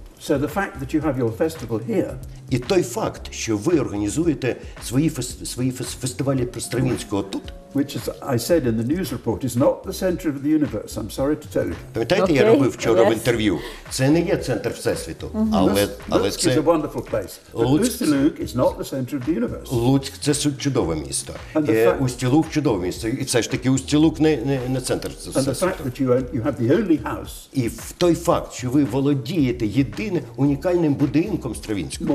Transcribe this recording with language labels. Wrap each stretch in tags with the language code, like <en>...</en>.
<en>So the fact that you have your festival here.</en> <uk>І той факт, що ви організуєте свої фестивалі про Стравінського тут.</uk> <en>Which as I said in the news report is not the center of the universe. I'm sorry to tell you. Пам'ятаєте, я робив вчора в інтерв'ю. Це не є центр всесвіту, але це is a wonderful place.</en> <uk>Устилуг</uk> <en>is not the center of the universe.</en> <uk>Луцьк це чудове місто. Є Устилуг чудове місто, і все ж таки Устилуг не центр всесвіту.</uk> <en>And the fact that you have the only house.</en> <uk>І той факт, що ви володієте єдиним унікальним будинком Стравінського.</uk>